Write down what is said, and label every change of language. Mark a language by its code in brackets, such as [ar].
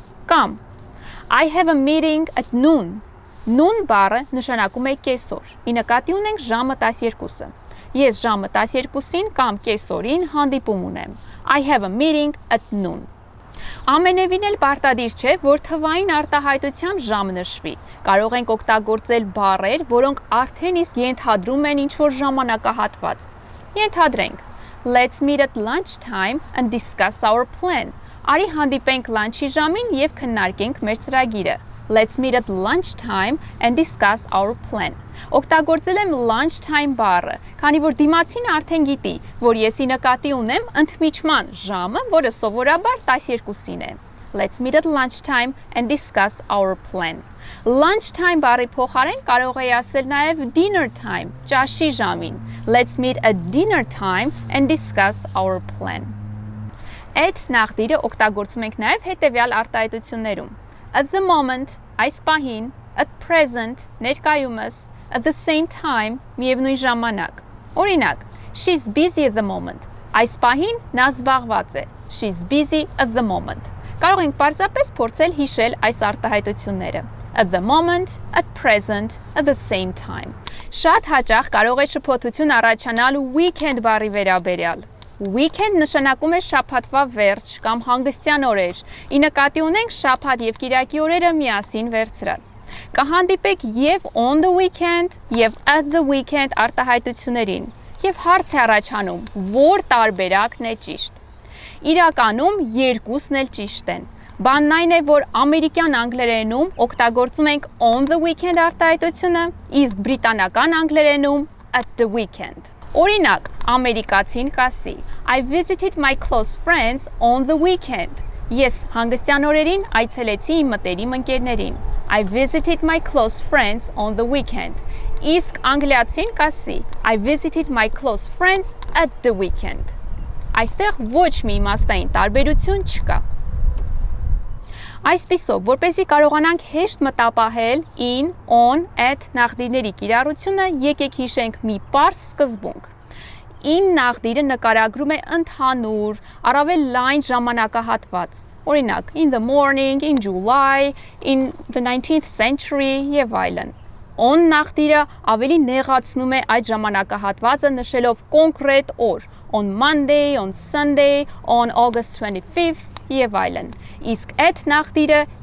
[hy] Կամ, [en] I have a meeting at noon. [hy] Noon բառը նշանակում է կեսօր։ Ի նկատի ունենք ժամը 12-ը։ Ես ժամը 12-ին կամ կեսօրին հանդիպում ունեմ։ I have a meeting at noon. Ամենևին էլ պարտադիր չէ, որ թվային արտահայտությամբ ժամ նշվի։ Կարող ենք օգտագործել բառեր, որոնք արդեն իսկ ենթադրում են ինչ-որ ժամանակահատված։ Ենթադրենք. [en] Let's meet at lunchtime and discuss our plan. [hy] Արի հանդիպենք լանչի ժամին և քննարկենք մեր ծրագիրը. [en] Let's meet at lunchtime and discuss our plan. [hy] Օգտագործել եմ lunchtime բառը, քանի որ դիմացին արդեն գիտի, որ ես ի նկատի ունեմ ընդմիջման ժամը, որը սովորաբար 12-ին է. [en] Let's meet at lunchtime and discuss our plan. [hy] Lunchtime բառի փոխարեն կարող էի ասել նաև [en] dinner time, [hy] ճաշի ժամին. [en] Let's meet at dinner time and discuss our plan. [hy] Այդ նախդիրը օգտագործում ենք նաև հետևյալ արտահայտություններում. [en] At the moment, [hy] այս պահին, [en] at present, [hy] ներկայումս, [en] at the same time, [hy] միևնույն ժամանակ. Օրինակ, [en] she's busy at the moment. [hy] Այս պահին նա զբաղված է. [en] She's busy at the moment. [hy] Կարող ենք պարզապես փորձել հիշել այս արտահայտությունները. [en] At the moment, at present, at the same time. [hy] Շատ հաճախ կարող է շփոթություն առաջանալ weekend բառի վերաբերյալ. Weekend նշանակում է շաբաթվա վերջ կամ հանգստյան օրեր։ Ի նկատի ունենք շաբաթ և կիրակի օրերը միասին վերցրած։ Կհանդիպեք եւ [en] on the weekend [hy] եւ [en] at the weekend [hy] արտահայտություններին։ Եվ հարց է առաջանում, որ տարբերակն է ճիշտ։ Իրականում երկուսն էլ ճիշտ են։ Բանն այն է, որ ամերիկյան անգլերենում օգտագործում ենք [en] on the weekend [hy] արտահայտությունը, իսկ բրիտանական անգլերենում [en] at the weekend։ [hy] Օրինակ, ամերիկացին կասի. [en] I visited my close friends on the weekend. [hy] Ես հանգստյան օրերին այցելեցի իմ մտերիմ ընկերներին. [en] I visited my close friends on the weekend. [hy] Իսկ անգլիացին կասի. [en] I visited my close friends at the weekend. [hy] Այստեղ ոչ մի իմաստային տարբերություն չկա։ Այսպիսով, որպեսզի կարողանանք հեշտ մտապահել in, on, at նախդիրների կիրառությունը, եկեք հիշենք մի պարզ սկզբունք։ In նախդիրը նկարագրում է ընդհանուր, առավել լայն ժամանակահատված, օրինակ, [en] in the morning, in July, in the 19th century [hy] եւ այլն։ On նախդիրը ավելի նեղացնում է այդ ժամանակահատվածը նշելով կոնկրետ օր, [en] on Monday, on Sunday, on August 25th, [hy] եվ այլն, իսկ այդ նախդիրը